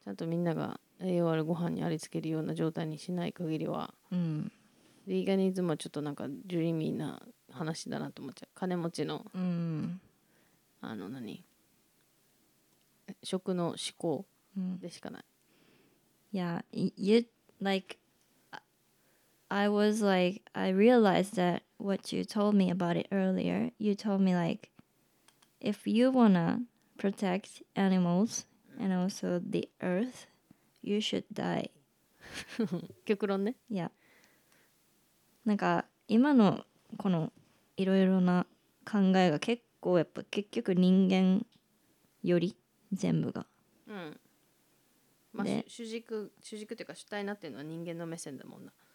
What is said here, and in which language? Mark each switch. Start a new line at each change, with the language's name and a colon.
Japanese: ちゃんとみんなが栄養あるご飯にありつけるような状態にしない限りは、うん、ヴィーガニズムはちょっとなんかジュリミーな話だなと思っちゃう。金持ちの、うん、あの何食の思考でしかない。
English: いや、うん、yeah, like I was like I realized thatWhat you told me about it earlier, you told me like, if you wanna protect animals and also the earth, you should die.
Japanese: 極論ね。いや、なんか今のこのいろいろな考えが結構やっぱ結局人間より全部が、うん、まあ、主軸というか主体になってるのは人間の目線だもんな。